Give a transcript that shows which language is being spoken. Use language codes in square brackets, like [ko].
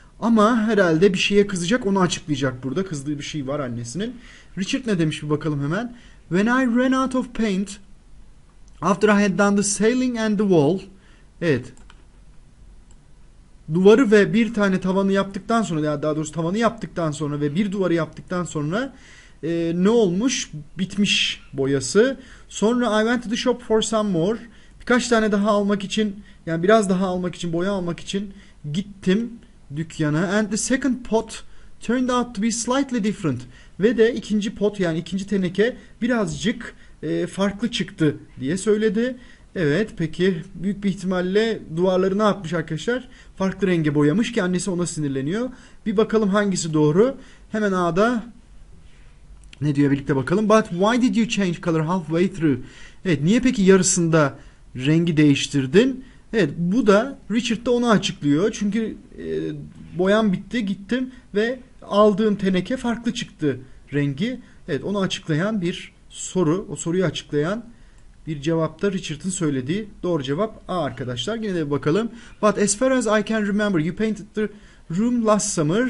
[tr] Ama herhalde bir şeye kızacak, onu açıklayacak burada. Kızdığı bir şey var annesinin. Richard ne demiş bir bakalım hemen. [en] When I ran out of paint, after I had done the ceiling and the wall. [tr] Evet. Duvarı ve bir tane tavanı yaptıktan sonra, ya daha doğrusu tavanı yaptıktan sonra ve bir duvarı yaptıktan sonra ne olmuş? Bitmiş boyası. Sonra [en] I went to the shop for some more. [tr] Birkaç tane daha almak için, yani biraz daha almak için, boya almak için gittim dükkana. [en] And the second pot turned out to be slightly different. [tr] Ve de ikinci pot, yani ikinci teneke birazcık farklı çıktı diye söyledi. Evet, peki büyük bir ihtimalle duvarları ne yapmış arkadaşlar? Farklı renge boyamış ki annesi ona sinirleniyor. Bir bakalım hangisi doğru? Hemen A'da ne diyor, birlikte bakalım. [en] But why did you change color halfway through? [tr] Evet, niye peki yarısında rengi değiştirdin? Evet, bu da Richard da onu açıklıyor. Çünkü boyam bitti, gittim ve aldığım teneke farklı çıktı rengi. Evet, onu açıklayan bir soru, o soruyu açıklayan bir cevap da Richard'ın söylediği. Doğru cevap A arkadaşlar. Yine de bir bakalım. [en] But as far as I can remember, you painted the room last summer.